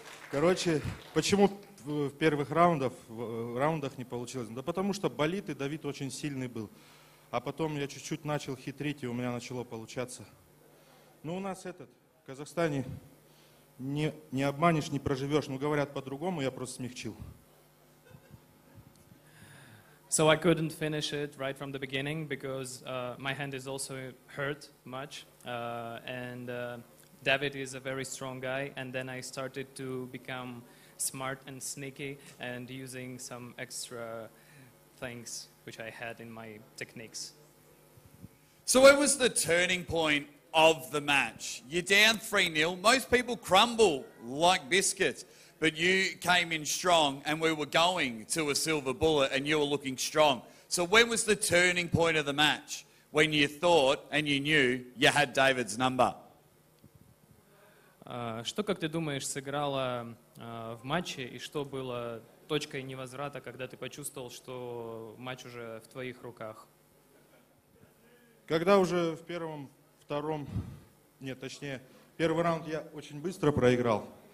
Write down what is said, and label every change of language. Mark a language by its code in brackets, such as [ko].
[ru] Короче, почему в первых раундах не получилось? Да потому что болит, и Давид очень сильный был. А потом я чуть-чуть начал хитрить, и у меня начало получаться. Ну, у нас этот, в Казахстане... Не обманешь, не проживешь. Ну, говорят по-другому, я просто смягчил. [en] So I couldn't finish it right from the beginning because my hand is also hurt much. David is a very strong guy. And then I started to become smart and sneaky and using some extra things which I had in my techniques. So what was the turning point of the match? You're down 3-0. Most people crumble like biscuits, but you came in strong and we were going to a silver bullet and you were looking strong. So when was the turning point of the match when you thought and you knew you had David's number? [ru] Что, как ты думаешь, сыграло в матче и что было точкой невозврата, когда ты почувствовал, что матч уже в твоих руках? Когда уже в первом втором, нет, точнее, первый раунд я очень быстро проиграл.